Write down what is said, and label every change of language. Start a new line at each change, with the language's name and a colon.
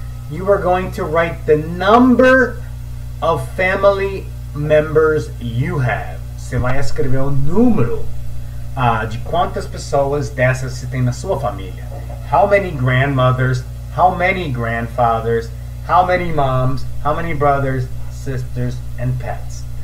English: You are going to write the number of family members you have.
Portuguese: Você vai escrever o número de quantas pessoas dessas você tem na sua família.
English: How many grandmothers? How many grandfathers? How many moms, how many brothers, sisters, and pets?